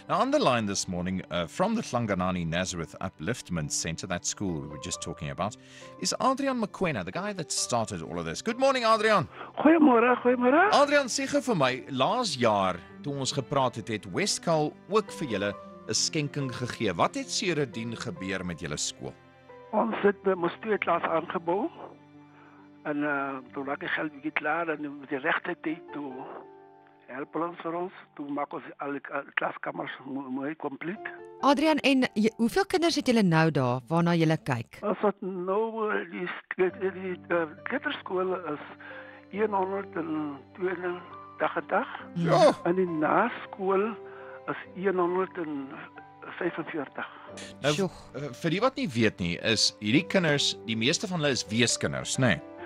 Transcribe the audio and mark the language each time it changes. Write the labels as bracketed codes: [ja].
[en] Now on the line this morning from the Hlanganani Nazareth Upliftment Center, that school we were just talking about, is Adrian Mukwena, the guy that started all of this. Good morning, Adrian. [af] Goeiemôre. Adrian, sê gou vir my, laas jaar toe ons gepraat het, het Westcal ook vir julle 'n skenking gegee. Wat het sedertdien gebeur met julle skool? Ons het mos twee klas aangebou. En toe raak ek geld bietjie klaar en die regte tyd toe help ons vir ons. Toe maak ons al die klaskamers mooi compleet. Adrian, en hoeveel kinders het julle nou daar waarna julle kyk? Ons het nou die kleuterskool is 182 en die naskool is 145. Nou, vir die wat nie weet nie, is hierdie kinders, die meeste van hulle is weeskinders, nê?